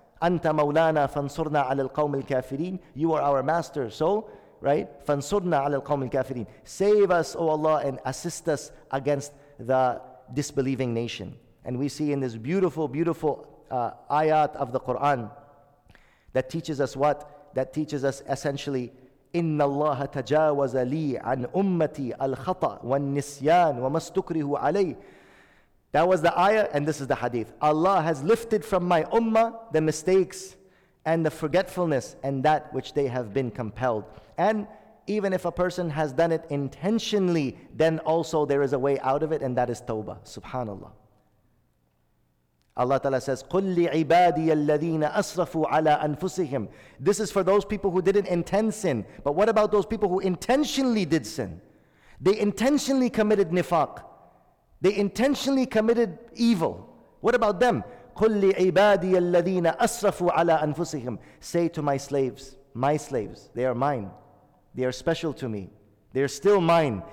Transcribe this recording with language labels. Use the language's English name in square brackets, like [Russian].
[Arabic] أَنْتَ مَوْلَانَا فَانْصُرْنَا عَلَى الْقَوْمِ الْكَافِرِينَ. [English] You are our master. So, right? [Arabic] فَانْصُرْنَا عَلَى الْقَوْمِ الْكَافِرِينَ. [English] Save us, O Allah, and assist us against the disbelieving nation. And we see in this beautiful, beautiful ayat of the Quran that teaches us what? That teaches us essentially, [Arabic] إِنَّ اللَّهَ تَجَاوَزَ لِي عَنْ أُمَّتِي الْخَطَأَ وَالنِّسْيَانَ وَمَا اسْتُكْرِهُ عَلَيْهِ. [English] That was the ayah, and this is the hadith. Allah has lifted from my ummah the mistakes and the forgetfulness and that which they have been compelled. And even if a person has done it intentionally, then also there is a way out of it, and that is tawbah. Subhanallah. Allah Ta'ala says, [Arabic] قُلْ لِعِبَادِيَ الَّذِينَ أَسْرَفُوا عَلَىٰ أَنفُسِهِمْ. [English] This is for those people who didn't intend sin. But what about those people who intentionally did sin? They intentionally committed nifaq. They intentionally committed evil. What about them? [Arabic] قُلْ لِعِبَادِيَ الَّذِينَ أَسْرَفُوا عَلَىٰ أَنفُسِهِمْ. [English] Say to my slaves, they are mine. They are special to me. They are still mine.